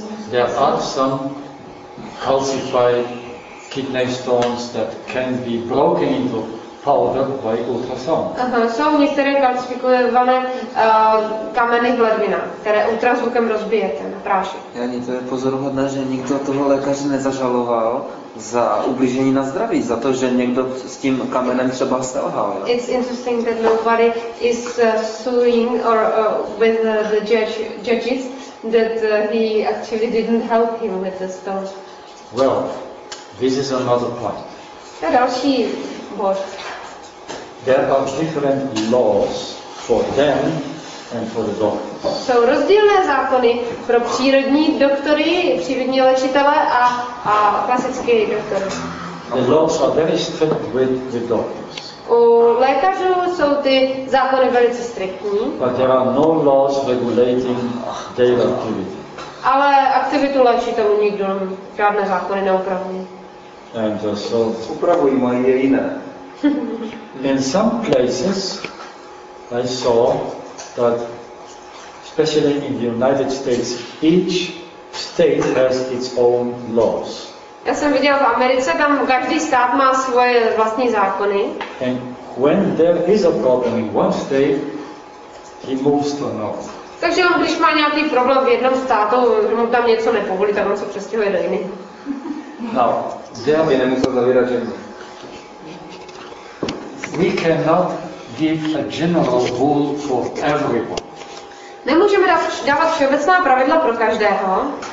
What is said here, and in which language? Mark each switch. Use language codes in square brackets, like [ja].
[en] There are some calcified kidney stones that can be broken into powder by ultrasound. [cs] Jsou některé kalcifikované kameny v ledvinách, které ultrazvukem rozbijete na prášek. Jani, to je pozoruhodné, že nikdo toho lékaře nezažaloval za ublížení na zdraví, za to, že někdo s tím kamenem třeba selhal. [en] It's interesting that nobody is suing or with the judges that he actually didn't help him with the stone. Well, this is another point. [cs] To je další bod. [en] There are different laws for them and for the doctors. [cs] Jsou rozdílné zákony pro přírodní doktory, přírodní léčitele a klasické doktory. [en] The laws are very strict with the doctors. [cs] U lékařů jsou ty zákony velice striktní. [en] But there are no laws regulating their activity. [cs] Ale aktivitu léčitelů nikdo žádné zákony neupravuje. [en] And so [cs] upravují mají je jiné. [en] In some places I saw that especially in the United States each state has its own laws. [cs] Já jsem viděl v Americe, tam každý stát má svoje vlastní zákony. [en] And when there is a problem in one state, he moves to another. [cs] Takže on, když má nějaký problém v jednom státu, že mu tam něco nepovolí, tak on se přestěhuje do jiný. [en] Now, there [cs] by nemusel zavírat jen. [en] We cannot give a general rule for everyone. [cs] Nemůžeme dávat všeobecná pravidla pro každého.